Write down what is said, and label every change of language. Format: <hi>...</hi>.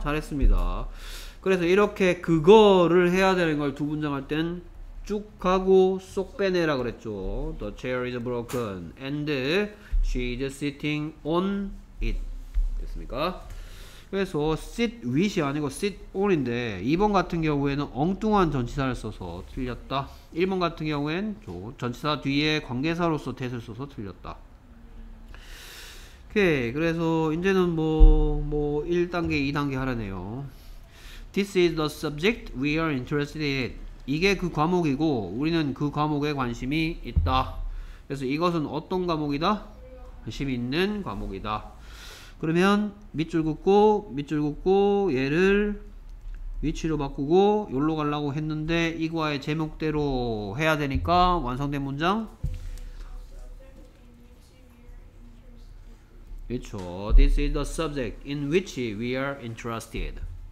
<ko>잘했습니다. 그래서 이렇게 그거를 해야 되는 걸 두 문장 할 땐 쭉 가고 쏙 빼내라 그랬죠.</ko> <en>The chair is broken and she is sitting on it.</en> <ko>됐습니까? 그래서</ko> <en>sit with</en> <ko>이 아니고</ko> <en>sit on</en> <ko>인데 2번 같은 경우에는 엉뚱한 전치사를 써서 틀렸다. 1번 같은 경우엔 전치사 뒤에 관계사로서 that을 써서 틀렸다. 오케이. 그래서 이제는 뭐 1단계 2단계 하라네요.</ko> <en>This is the subject we are interested in.</en> <ko>이게 그 과목이고 우리는 그 과목에 관심이 있다. 그래서 이것은 어떤 과목이다? 관심 있는 과목이다. 그러면 밑줄 긋고 얘를 위치로 바꾸고 여기로 가려고 했는데 이 과의 제목대로 해야 되니까 완성된 문장. 그렇죠.</ko> <en>This is the subject in which we are interested.</en>